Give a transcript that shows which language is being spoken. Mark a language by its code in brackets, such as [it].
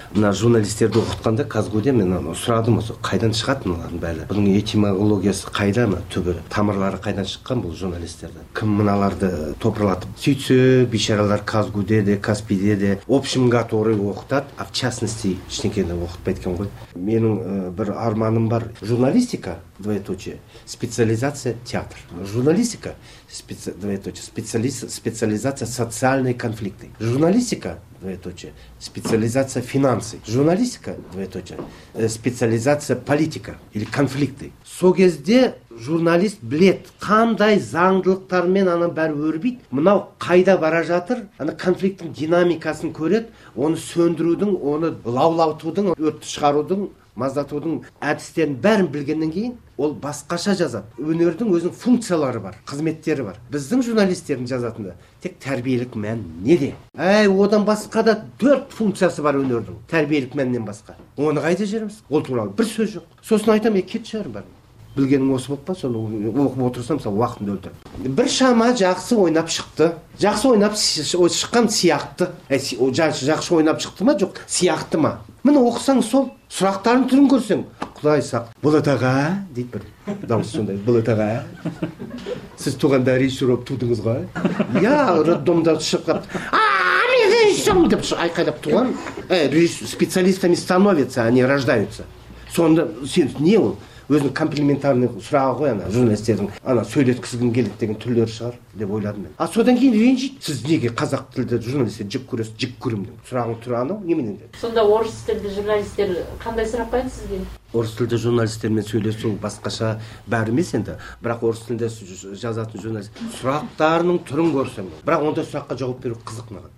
[kk] Мына журналистерді оқытқанда Казгуде мен оны сұрадым осы, қайдан шығады мыналардың бәрі? Бұның этимологиясы қайда ма, түбі? Тамырлары қайдан шыққан бұл журналистерді? Кім мыналарды топырлатып? Сөйтсе, бишаралар Казгуде де, Каспиде де [ru] общем гаторы [kk] оқытат, [ru] а в частности [kk] ішінекені оқытпайды екен ғой. Менің бір арманым бар. [ru] Журналистика, двоеточие, специализация театр. Журналистика, двоеточие, специализация социальные конфликты. Журналистика, двоеточие, специализация финансы. Журналистика, двоеточие, специализация политика или конфликты. [kk] Согезде журналист білет, қандай заңдылықтармен ана бәрі өрбейді, мынау қайда бара жатыр, ана конфликттің динамикасын көреді, оны сөндірудің, оны лаулатудың, өртті шығарудың, маздатудың әдістерін бәрін білгеннен кейін, ол басқаша жазады. Өнердің өзінің функциялары бар, қызметтері бар. Біздің журналистердің жазатында тек тәрбиелік мән неде? Әй, одан басқа да 4 функциясы бар өнердің, тәрбиелік мәннен басқа. Оны қайда жүреміз? Ол туралы бір сөз жоқ. Сосын айтамын, кет шығарым бар. білгенім осы болып па, соны оқып отырсам мысалы уақытымды өлтіріп. Бір шама жақсы ойнап шықты. Жақсы ойнап шыққан сияқты. Жақсы ойнап шықты ма, жоқ, сияқты ма? Мен оқысаң сол сұрақтарын түрін көрсең, Құдай сақ. Бұлатаға, дейді бір дауыс сондай, Бұлатаға, сіз туғанда режиссер болып тудыңыз ғой. Я, роддомда шығып қапты. Мен режиссер болып деп айқайлап туған. [ru] Специалистами становятся, они рождаются. [kk] Сонда сен не ол? Өзінің комплиментарный сұрағы ғой ана журналистердің, ана сөйлеткізгің келеді деген түрлері шығар деп ойладым мен. А содан кейін ренжиді, сіз неге қазақ тілді журналистер жек көресіз, жек көремін деп сұрағың тұр анау неменен деп. Сонда орыс тілді журналистер қандай сұрақ қояды сізге? Орыс тілді журналистермен сөйлесу басқаша бәрі емес енді, бірақ орыс тілінде жазатын журналист сұрақтарының түрін көрсең, бірақ ондай сұраққа жауап беру қызық маған.